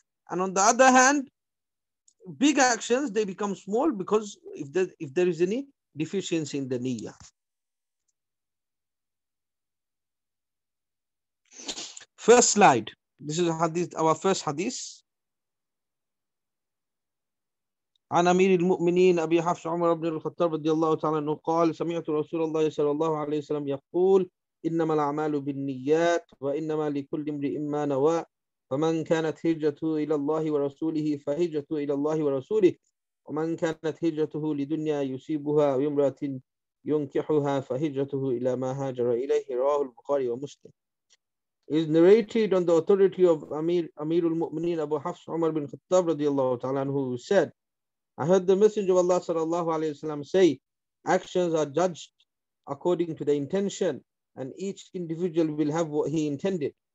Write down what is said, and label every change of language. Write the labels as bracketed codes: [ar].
[en] And on the other hand, big actions, they become small because if there is any deficiency in the niyyah. First slide. This is hadith, our first hadith. [ar] عن أمير المؤمنين أبي حفص عمر بن الخطاب رضي الله تعالى عنه قال سمعت رسول الله صلى الله عليه وسلم يقول إنما الأعمال بالنيات وإنما لكل امرئ ما نوى فمن كانت هجرته إلى الله ورسوله فهجرته إلى الله ورسوله ومن كانت هجرته لدنيا يصيبها وامرأة ينكحها فهجرته إلى ما هاجر إليه رواه البخاري ومسلم. [en] Is narrated on the authority of Amirul Mu'mineen Abu Hafs Umar bin Khattab radiallahu ta'ala, who said, I heard the Messenger of Allah sallallahu alayhi wa sallam say, actions are judged according to the intention, and each individual will have what he intended.